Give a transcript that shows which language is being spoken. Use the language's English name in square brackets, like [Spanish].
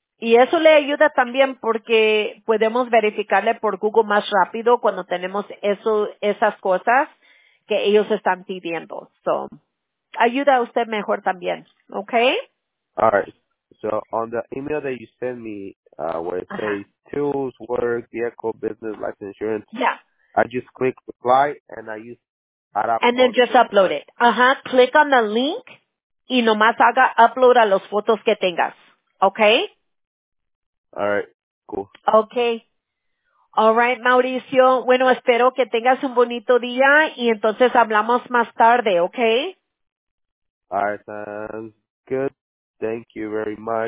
[Spanish] Y eso le ayuda también porque podemos verificarle por Google más rápido cuando tenemos esas cosas que ellos están pidiendo. So, ayuda a usted mejor también. Okay? [English] Alright. So, on the email that you send me, where it says tools, work, vehicle, business, life insurance. Yeah. I just click reply and I use Arab. And then just upload it. Uh-huh. Click on the link [Spanish] y nomás haga upload a los fotos que tengas. [English] Okay? All right. Cool. Okay. All right, Mauricio. [Spanish] Bueno, espero que tengas un bonito día y entonces hablamos más tarde, ¿okay? [English] All right, sounds good. Thank you very much.